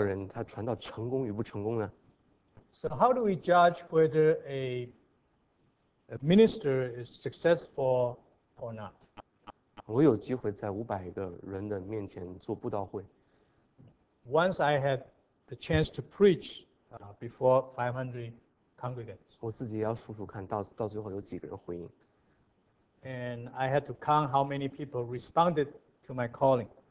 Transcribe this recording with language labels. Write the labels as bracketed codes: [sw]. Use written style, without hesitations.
[zh] 你怎么样去评估一个传道人他传道成功与不成功呢？ [en] So how do we judge whether a minister is successful or not? [zh] 我有机会在500个人的面前做布道会。 [en] Once I had the chance to preach before 500 congregants. [zh] 我自己要数数看到最后有几个人回应。 [en] And I had to count how many people responded to my calling.